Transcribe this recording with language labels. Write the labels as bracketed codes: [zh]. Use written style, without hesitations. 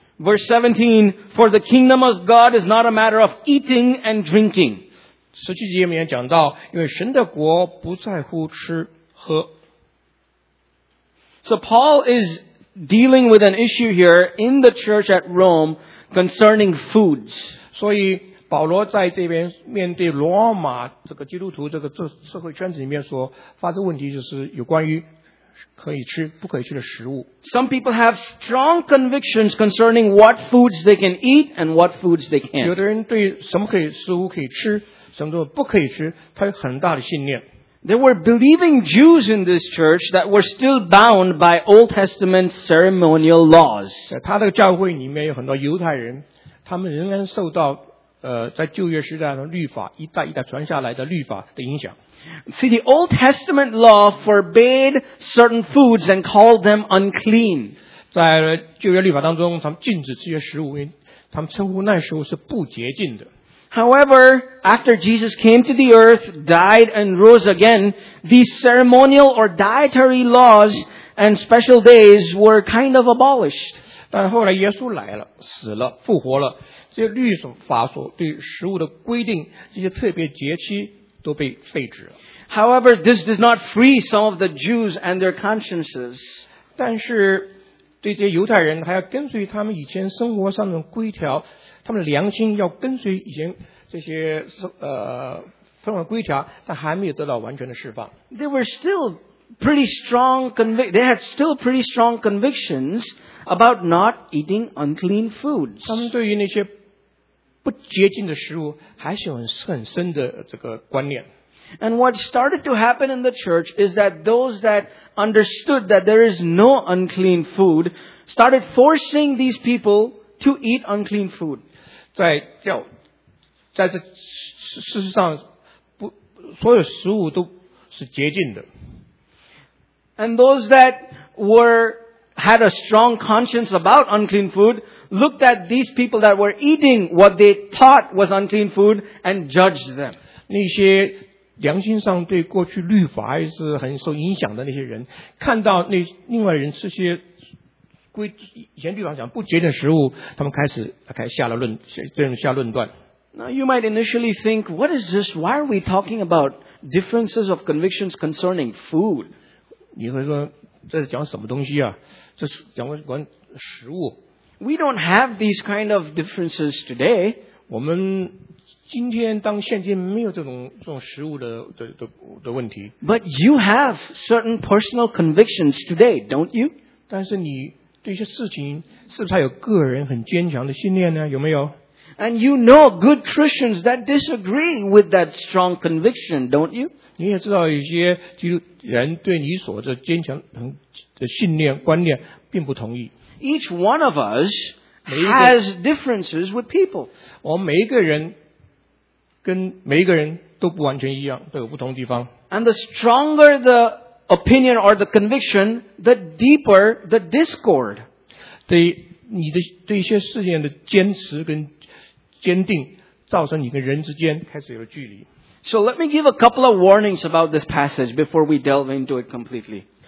[en] Verse 17, for the kingdom of God is not a matter of eating and drinking. [zh] 十七节里面讲到，因为神的国不在乎吃喝。 [en] So Paul is dealing with an issue here in the church at Rome concerning foods. [zh] 所以保罗在这边面对罗马这个基督徒这个社会圈子里面所发生问题，就是有关于可以吃不可以吃的食物。 [en] Some people have strong convictions concerning what foods they can eat and what foods they can't. [zh] 有的人对什么可以食物可以吃，什么不可以吃，他有很大的信念。 [en] There were believing Jews in this church that were still bound by Old Testament ceremonial laws. [zh] 他的教会里面有很多犹太人，他们仍然受到在旧约时代的律法一代一代传下来的律法的影响。 [en] See, the Old Testament law forbade certain foods and called them unclean. [zh] 在旧约律法当中，他们禁止这些食物，因为他们称呼那时候是不洁净的。 [en] However, after Jesus came to the earth, died and rose again, these ceremonial or dietary laws and special days were kind of abolished. [zh] 但后来耶稣来了，死了，复活了，这些律法所对食物的规定，这些特别节期都被废止了。 [en] However, this did not free some of the Jews and their consciences. [zh] 但是对这些犹太人，还要跟随他们以前生活上的规条，他们良心要跟随以前这些分文规条，但还没有得到完全的释放。 [en] They were still pretty strong They had still pretty strong convictions about not eating unclean foods. [zh] 他们对于那些不洁净的食物还是有很深的这个观念。 [en] And what started to happen in the church is that those that understood that there is no unclean food started forcing these people to eat unclean food. [zh] 在这事实上不所有食物都是洁净的。 [en] And those that had a strong conscience about unclean food looked at these people that were eating what they thought was unclean food and judged them. [zh] 那些良心上对过去律法还是很受影响的那些人，看到那另外人吃些以前律法讲不洁净的食物，他们开始下了论，对人下论断。 [en] Now you might initially think, what is this? Why are we talking about differences of convictions concerning food? [zh] 你会说这是讲什么东西啊？这是讲关食物。 [en] We don't have these kind of differences today. [zh] 我们今天当现今没有这种食物的问题。 [en] But you have certain personal convictions today, don't you? [zh] 但是你对一些事情是不是有个人很坚强的信念呢？有没有？ [en] And you know good Christians that disagree with that strong conviction, don't you? [zh] 你也知道一些基督人对你所的坚强的信念观念并不同意。 [en] Each one of us has differences with people. [zh] 我每一个人跟每一个人都不完全一样，都有不同地方。 [en] And the stronger the opinion or the conviction, the deeper the discord. [zh] 对你的对一些事件的坚持跟坚定，造成你跟人之间开始有了距离。 [en] So let me give a couple of warnings about this passage before we delve into it completely.